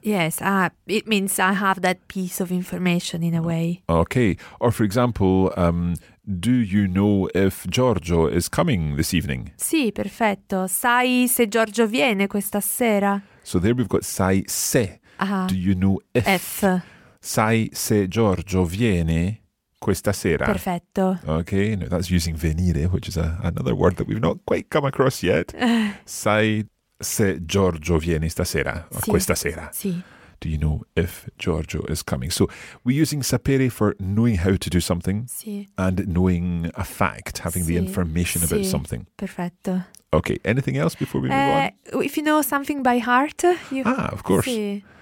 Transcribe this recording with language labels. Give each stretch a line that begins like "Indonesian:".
English: Yes, it means I have that piece of information in a way. Okay. Or for example, do you know if Giorgio is coming this evening?
Italian: Sì, perfetto. Sai se Giorgio viene questa sera?
English: So there we've got sai se. Uh-huh. Do you know if? F.
Italian: Sai se Giorgio viene questa sera? Perfetto.
English: Okay. Now that's using venire, which is another word that we've not quite come across yet.
Italian: Sai se Giorgio viene stasera, or sì. questa sera. Sì.
English: Do you know if Giorgio is coming? So we're using sapere for knowing how to do something
Italian: sì.
English: and knowing a fact, having
Italian: sì.
English: the information
Italian: sì.
English: about something.
Italian: Perfetto.
English: Okay, anything else before we move on? If you know something by heart. You... Ah, of course.
Italian: Sì.